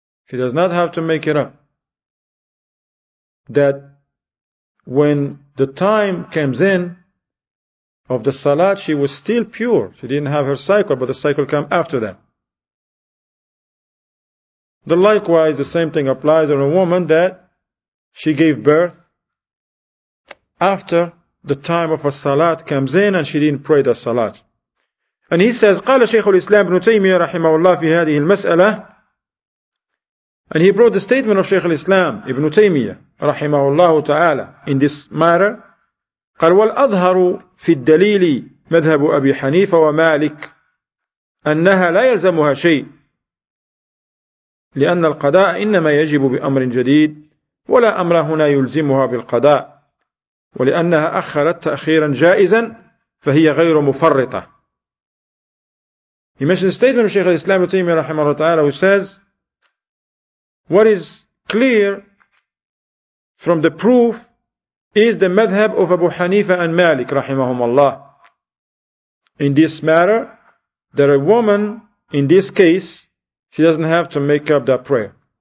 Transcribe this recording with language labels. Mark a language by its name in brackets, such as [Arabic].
[English] She does not have to make it up. That when the time comes in of the salat, she was still pure. She didn't have her cycle, but the cycle came after that. The likewise, the same thing applies on a woman that she gave birth after the time of a salat comes in and she didn't pray the salat. And he says, [Arabic] قال شيخ الإسلام بن تيمية رحمه الله في هذه المسألة. [English] And he brought the statement of [Arabic] شيخ الإسلام ابن تيمية رحمه الله تعالى [English] in this matter. [Arabic] قال والأظهر في الدليل مذهب أبي حنيفة ومالك أنها لا يلزمها شيء لأن القضاء إنما يجب بأمر جديد ولا أمر هنا يلزمها بالقضاء ولأنها أخرت تأخيرا جائزا فهي غير مفرطة. [English] He mentioned a statement of Shaykh al-Islam ibn Taymiyyah rahimahullah ta'ala, who says, what is clear from the proof is the madhab of Abu Hanifa and Malik rahimahumallah. In this matter, that a woman, in this case, she doesn't have to make up that prayer.